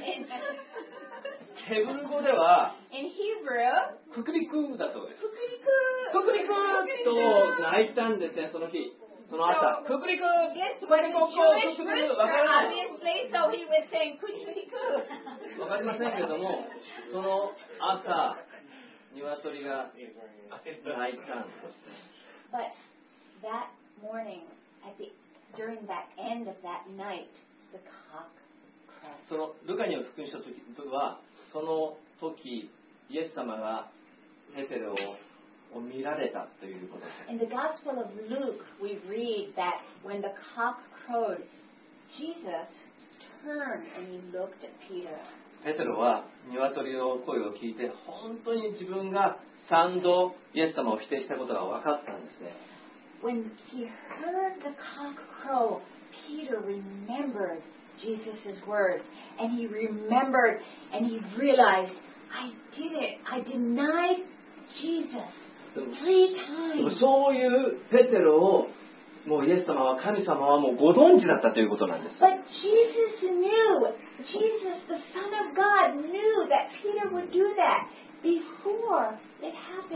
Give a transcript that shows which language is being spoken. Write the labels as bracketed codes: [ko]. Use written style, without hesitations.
[en] But that morning, at the during that end of that night, the cock crowed. [ja] そのルカニを福音した時はその時イエス様がペテロを見られたということです。 [en] In the Gospel of Luke, we read that when the cock crowed, Jesus turned and he looked at Peter. [ja] ペテロは鶏の声を聞いて本当に自分が三度イエス様を否定したことが分かったんですね。 [en] When he heard the cock crow, Peter remembered Jesus' words, and he remembered, and he realized, I did it. I denied Jesus three times. [ja] そういうペテロをもうイエス様は神様はもうご存知だったということなんです。 [en] But Jesus knew. Jesus, the Son of God, knew that Peter would do that before it happened.、